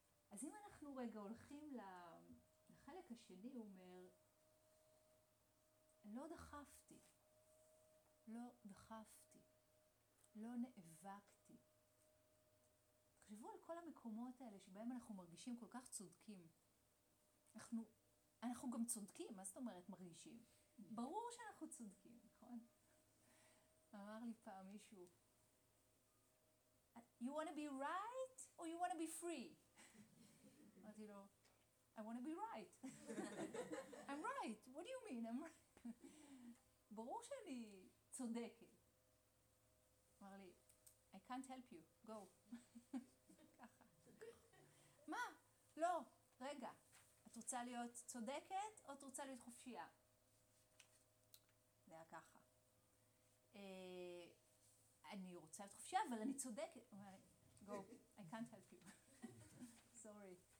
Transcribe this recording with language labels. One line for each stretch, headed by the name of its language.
Hebrew: אז אם אנחנו רגע הולכים לחלק השני, הוא אומר, לא דחפתי, לא דחפתי, לא נאבקתי. תחשבו על כל המקומות האלה שבהם אנחנו מרגישים כל כך צודקים. אנחנו גם צודקים, מה זאת אומרת מרגישים? ברור שאנחנו צודקים, נכון? אמר לי פעם מישהו,
English: you want to be right or you want to be free?
Hebrew: אמרתי לו,
English: I want to be right. I'm right, what do you mean? I'm right.
Hebrew: ברור שאני צודקת. אמר לי,
English: I can't help you, go.
Hebrew: ככה. מה? לא, רגע. את רוצה להיות צודקת או את רוצה להיות חופשייה? זה היה ככה. אני רוצה להיות חופשייה, אבל אני צודקת.
English: Go, I can't help you. Sorry.